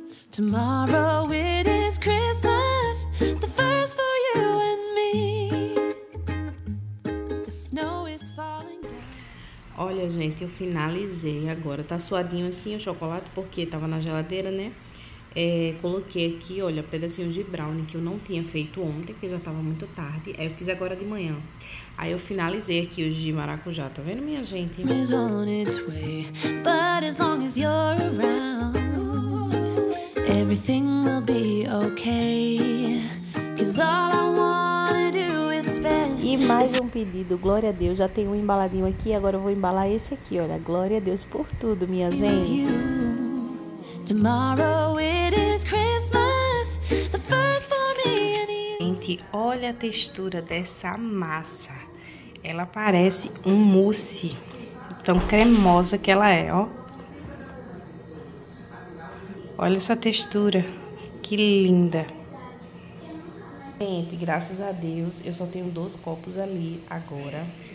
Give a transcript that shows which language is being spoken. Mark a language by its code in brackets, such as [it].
[en] Tomorrow it is Christmas, the first for you and me. The snow is falling down. [pt] Olha, gente, eu finalizei agora. Tá suadinho assim o chocolate, porque tava na geladeira, né? Coloquei aqui, olha, pedacinho de brownie que eu não tinha feito ontem, porque já tava muito tarde. Eu fiz agora de manhã. Aí eu finalizei aqui os de maracujá, tá vendo, minha gente? [en] Is on its way, but as long as you're around. Everything will be okay. 'Cause all I wanna do is spend. [pt] E mais um pedido, glória a Deus. Já tem um embaladinho aqui, agora eu vou embalar esse aqui, olha. Glória a Deus por tudo, minha gente. [en] Tomorrow it is Christmas, the first for me and you. [pt] Gente, olha a textura dessa massa. Ela parece um mousse, tão cremosa que ela é, ó. Olha essa textura, que linda. Gente, graças a Deus, eu só tenho dois copos ali agora.